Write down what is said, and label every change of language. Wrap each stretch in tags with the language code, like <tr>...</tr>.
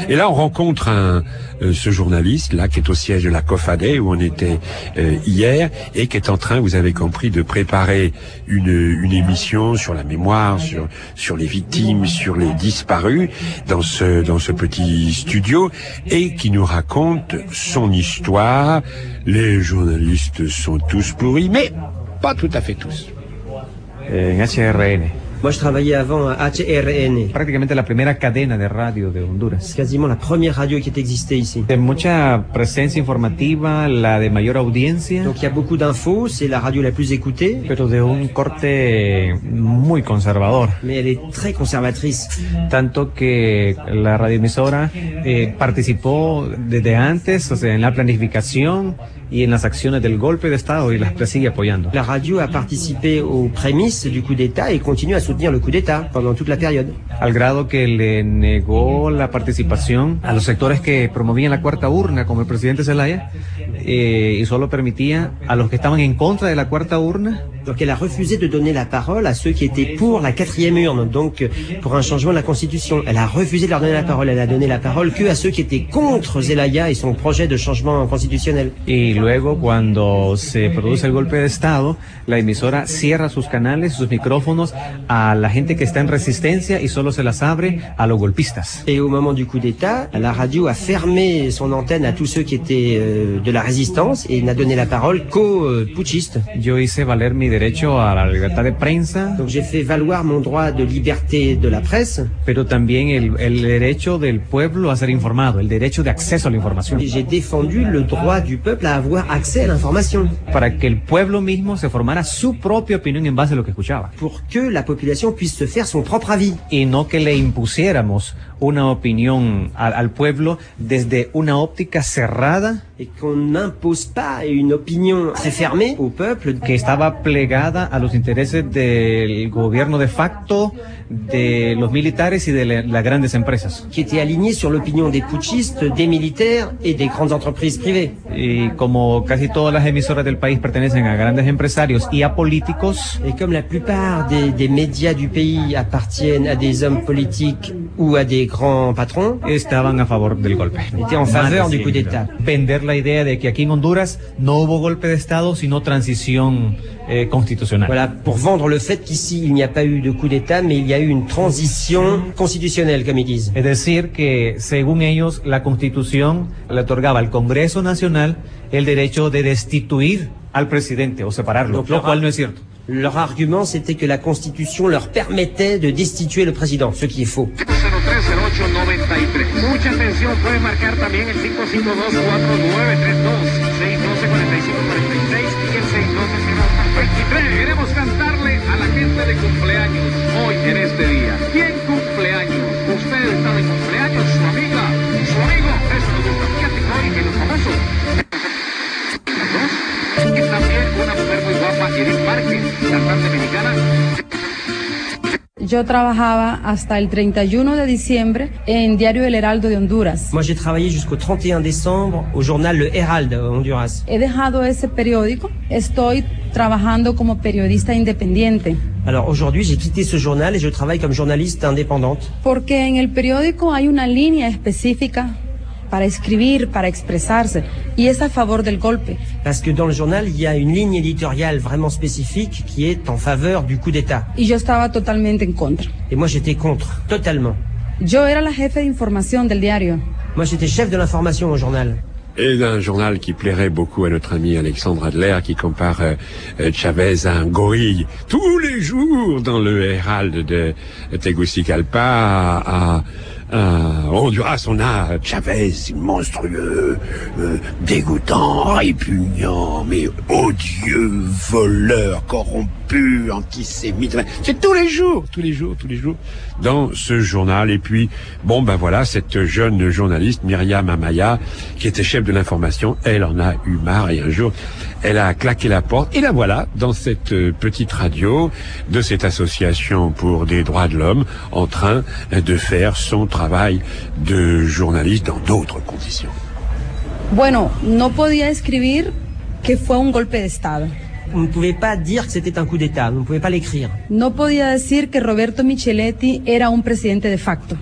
<fr>Et là, on rencontre ce journaliste là qui est au siège de la COFADE où on était hier et qui est en train, vous avez compris, de préparer une émission sur la mémoire, sur les victimes, sur les disparus dans ce petit studio et qui nous raconte son histoire. Les journalistes sont tous pourris, mais pas tout à fait tous.</fr> <es>En HRN.</es> <fr>Moi, je travaillais avant à HRN. Pratiquement la première</fr> <es>cadena de radio de Honduras.</es> <fr>C'est quasiment la première radio qui existait ici.</fr> <es>De mucha presencia informativa, la de mayor audiencia.</es> <fr>Donc, il y a beaucoup d'infos, c'est la radio la plus écoutée.</fr> <es>Pero de un corte muy conservador.</es> <fr>Mais elle est très conservatrice.</fr> <es>Tanto que la radioemisora participó desde antes, o sea, en la planificación y en las acciones del golpe de Estado y las sigue apoyando. La radio ha participado</es> <fr>aux prémices du coup d'État</fr> <es>y continúa</es> <fr>a soutenir le coup d'État pendant toute la période.</fr> <es>Al grado que le negó la participación a los sectores que promovían la cuarta urna, como el presidente Zelaya, y solo permitía a los que estaban en contra de la cuarta urna.</es> <fr>Donc elle a refusé de donner la parole à ceux qui étaient pour la quatrième urne, donc pour un changement de la constitution. Elle a refusé de leur donner la parole, elle a donné la parole que à ceux qui étaient contre Zelaya et son projet de changement constitutionnel.</fr> <es>Y luego cuando se produce el golpe de Estado, la emisora cierra sus canales, sus micrófonos a la gente que está en resistencia y solo se las abre a los golpistas.</es> <fr>Et au moment du coup d'État, la radio a fermé son antenne à tous ceux qui étaient de la résistance. résistance et n'a donné la parole qu'aux putschistes.</fr> <es>Yo hice valer mi derecho a la libertad de prensa.</es> <fr>Donc j'ai fait valoir mon droit de liberté de la presse.</fr> <es>Pero también el derecho del pueblo a ser informado, el derecho de acceso a la información.</es> <fr>Et j'ai défendu le droit du peuple à avoir accès à l'information.</fr> <es>Para que el pueblo mismo se formara su propia opinión en base a lo que escuchaba.</es> <fr>Pour que la population puisse se faire son propre avis.</fr> <es>Y no que le impusiéramos una opinión al pueblo desde una óptica cerrada.</es> <fr>Et qu'on n'impose pas une opinion très fermée au peuple.</fr> <es>Que estaba plegada a los intereses del gobierno de facto, de los militares y de las grandes empresas.</es> <fr>Qui était aligné sur l'opinion des putschistes, des militaires et des grandes entreprises privées.</fr> <es>Y como casi todas las emisoras del país pertenecen a grandes empresarios y a políticos.</es> <fr>Et comme la plupart des médias du pays appartiennent à des hommes politiques ou à des grands patrons.</fr> <es>Estaban a favor del golpe.</es> <fr>Étaient en faveur du coup d'état.</fr> <es>Vender la idea de que aquí en Honduras no hubo golpe de estado sino transición constitucional.</es> <fr>Voilà, pour vendre le fait qu'ici il n'y a pas eu de coup d'état mais il y a eu une transition constitutionnelle comme ils disent.</fr> <es>Es decir que según ellos la constitución le otorgaba al Congreso Nacional el derecho de destituir al presidente o separarlo. Donc, lo cual no es cierto.</es> <fr>Leur argument c'était que la constitution leur permettait de destituer le président, ce qui est faux.</fr> <es>0-3-0-8-93. Mucha atención, puede marcar también el 552-4932-612-4546-612-23. Queremos cantarle a la gente de cumpleaños hoy en este día. ¿Quién cumpleaños? Usted está de cumpleaños, su amiga, su amigo. Eso nos gusta, fíjate, hoy en los famosos. Y también una mujer muy guapa, Edith Parque, cantante mexicana. Yo trabajaba hasta el 31 de diciembre en Diario El Heraldo de Honduras.</es> <fr>Moi j'ai travaillé jusqu'au 31 décembre au journal Le Herald de Honduras.</fr> <es>He dejado ese periódico, estoy trabajando como periodista independiente.</es> <fr>Alors aujourd'hui, j'ai quitté ce journal et je travaille comme journaliste indépendante.</fr> <es>Porque en el periódico hay una línea específica para escribir, para expresarse y es a favor del golpe.</es> <fr>Parce que dans le journal, il y a une ligne éditoriale vraiment spécifique qui est en faveur du coup d'état.</fr> <es>Y yo estaba totalmente en contra.</es> <fr>Et moi j'étais contre, totalement.</fr> <es>Yo era la jefe de información del diario.</es> <fr>Moi j'étais chef de l'information au journal. Et un journal qui plairait beaucoup à notre ami Alexandre Adler, qui compare Chavez à un gorille. Tous les jours dans le Herald de Tegucigalpa à Honduras, on a Chavez monstrueux, dégoûtant, répugnant, mais odieux, voleur, corrompu, antisémite. C'est tous les jours. Dans ce journal. Et puis, bon, ben voilà, cette jeune journaliste, Myriam Amaya, qui était chef de l'information, elle en a eu marre et un jour, elle a claqué la porte. Et la voilà, dans cette petite radio de cette association pour des droits de l'homme, en train de faire son travail de journaliste dans d'autres conditions.</fr> <es>Bueno, no podía escribir que fue un golpe de estado.</es> <fr>On ne pouvait pas dire que c'était un coup d'état, on ne pouvait pas l'écrire.</fr> <es>No podía decir que Roberto Michelletti era un presidente de facto.</es>